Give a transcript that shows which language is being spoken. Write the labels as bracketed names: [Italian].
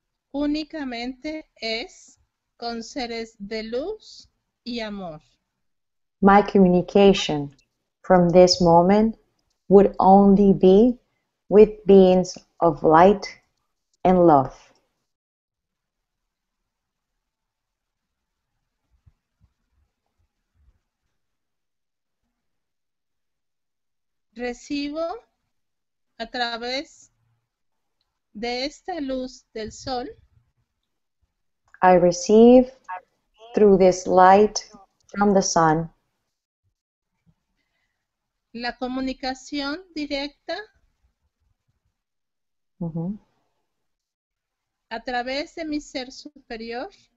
[Spanish] Únicamente es con seres de luz y amor. [English] My communication from this moment would only be with beings of light and love. [Spanish] Recibo a través de esta luz del sol. [English] I receive through this light from the sun. [Spanish] La comunicación directa. Uh-huh. A través de mi ser superior.